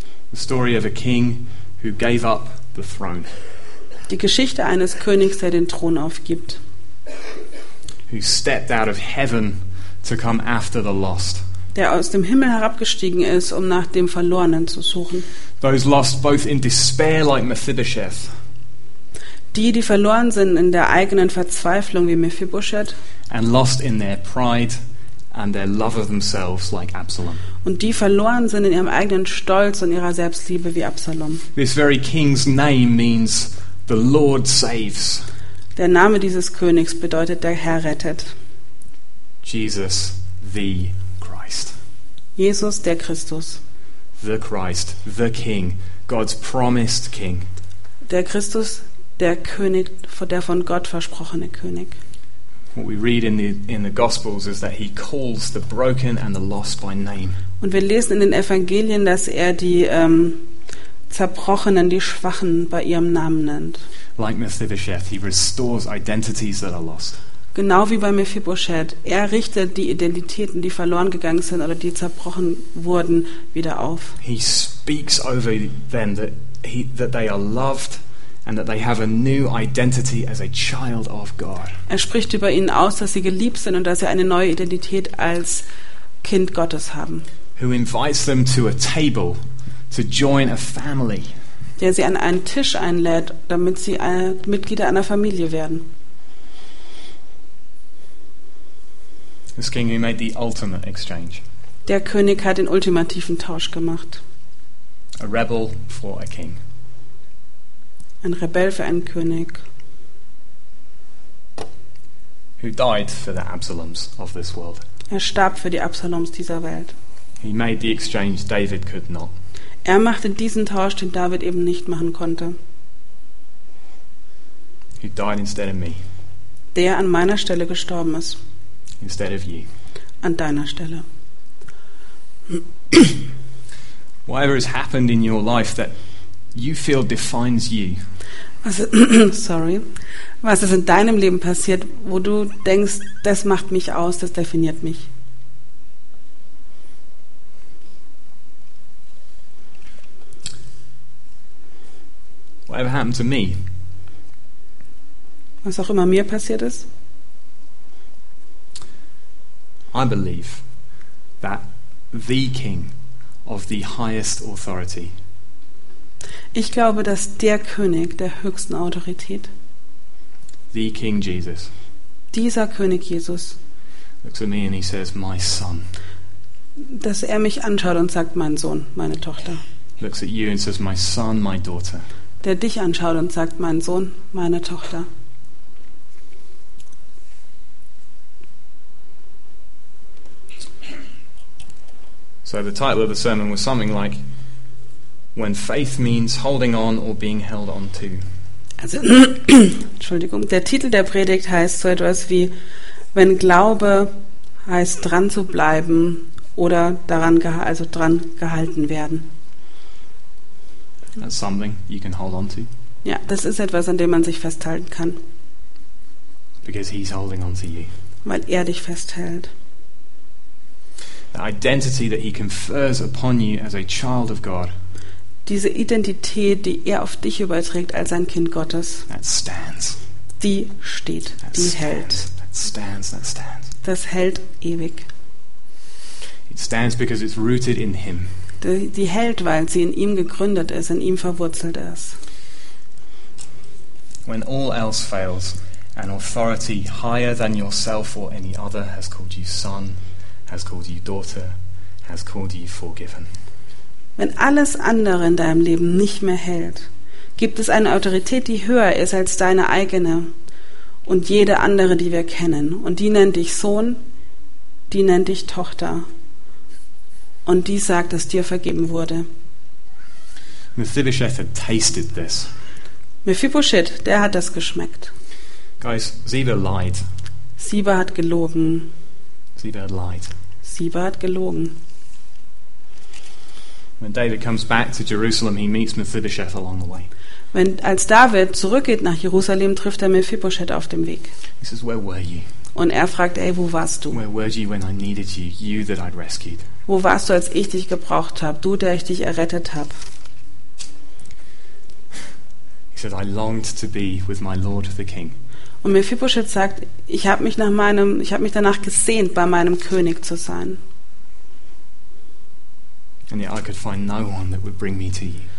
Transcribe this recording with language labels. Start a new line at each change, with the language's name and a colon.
English: The story of a king who gave up the throne.
German: Die Geschichte eines Königs, der den Thron aufgibt.
English: Who stepped out of heaven to come after the lost.
German: Der aus dem Himmel herabgestiegen ist, um nach dem Verlorenen zu suchen.
English: Those lost both in despair like Mephibosheth.
German: Die verloren sind in der eigenen Verzweiflung wie Mephibosheth.
English: And lost in their pride and their love of themselves like Absalom.
German: Und die verloren sind in ihrem eigenen Stolz und ihrer Selbstliebe wie Absalom.
English: This very king's name means the Lord saves.
German: Der Name dieses Königs bedeutet der Herr rettet.
English: Jesus, the Christ.
German: Jesus, der Christus.
English: The Christ, the King, God's promised King.
German: Der Christus, der König, der von Gott versprochene König.
English: What we read in the Gospels is that he calls the broken and the lost by name.
German: Und wir lesen in den Evangelien, dass er die Zerbrochenen, die Schwachen bei ihrem Namen nennt.
English: Like Mephibosheth, he restores identities that are lost.
German: Genau wie bei Mephibosheth, er richtet die Identitäten, die verloren gegangen sind oder die zerbrochen wurden, wieder auf.
English: speaks over them that they are loved and that they have a new identity as a child of God.
German: Er spricht über ihnen aus, dass sie geliebt sind und dass sie eine neue Identität als Kind Gottes haben.
English: Who invites them to a table to join a family.
German: Der sie an einen Tisch einlädt, damit sie Mitglieder einer Familie werden.
English: This king who made the ultimate exchange.
German: Der König hat den ultimativen Tausch gemacht.
English: A rebel for a king.
German: Ein Rebell für einen König.
English: Who died for the Absaloms of this world.
German: Er starb für die Absaloms dieser Welt.
English: He made the exchange David could not.
German: Er machte diesen Tausch, den David eben nicht machen konnte.
English: He died instead of me.
German: Der an meiner Stelle gestorben ist.
English: Instead of you.
German: An deiner Stelle.
English: Whatever has happened in your life that you feel defines you.
German: Was ist in deinem Leben passiert, wo du denkst, das macht mich aus, das definiert mich?
English: Whatever happened to me.
German: Was auch immer mir passiert ist.
English: I believe that the king of the highest authority.
German: Ich glaube, dass der König der höchsten Autorität.
English: The King Jesus.
German: Dieser König Jesus.
English: Looks at me and he says, my son.
German: Dass er mich anschaut und sagt, mein Sohn, meine Tochter.
English: Looks at you and says, my son, my daughter.
German: Der dich anschaut und sagt, mein Sohn, meine Tochter.
English: So the title of the sermon was something like when faith means holding on or being held on to.
German: Also, Entschuldigung, der Titel der Predigt heißt so etwas wie wenn Glaube heißt dran zu bleiben oder daran dran gehalten werden.
English: That's something you can hold on to.
German: Ja, das ist etwas, an dem man sich festhalten kann.
English: Because he's holding on to you.
German: Weil er dich festhält.
English: The identity that he confers upon you as a child of God.
German: Diese Identität, die er auf dich überträgt als ein Kind Gottes.
English: That stands.
German: Die steht,
English: that
German: die
English: stands,
German: hält.
English: That stands.
German: Das hält ewig.
English: It stands because it's rooted in him.
German: Die hält, weil sie in ihm gegründet ist, in ihm verwurzelt ist.
English: When all else fails, an authority higher than yourself or any other has called you son, has called you daughter, has called you forgiven.
German: Wenn alles andere in deinem Leben nicht mehr hält, gibt es eine Autorität, die höher ist als deine eigene und jede andere, die wir kennen. Und die nennt dich Sohn, die nennt dich Tochter. Und die sagt, dass dir vergeben wurde.
English: Mephibosheth had tasted this.
German: Mephibosheth, der hat das geschmeckt.
English: Guys, Ziba lied.
German: Ziba hat gelogen.
English: Ziba had lied.
German: Ziba hat gelogen.
English: When David comes back to Jerusalem, he meets Mephibosheth along the way.
German: Als David zurückgeht nach Jerusalem, trifft er Mephibosheth auf dem Weg.
English: He says, "Where were you?"
German: Und er fragt, ey, wo warst du?
English: Where were you when I needed you, you that I'd rescued?
German: Wo warst du, als ich dich gebraucht habe, du, der ich dich errettet habe?
English: He said, I longed to be with my Lord, the King.
German: Und Mephibosheth sagt, ich habe mich danach gesehnt, bei meinem König zu sein.
English: And yet I could find no one that would bring me to you.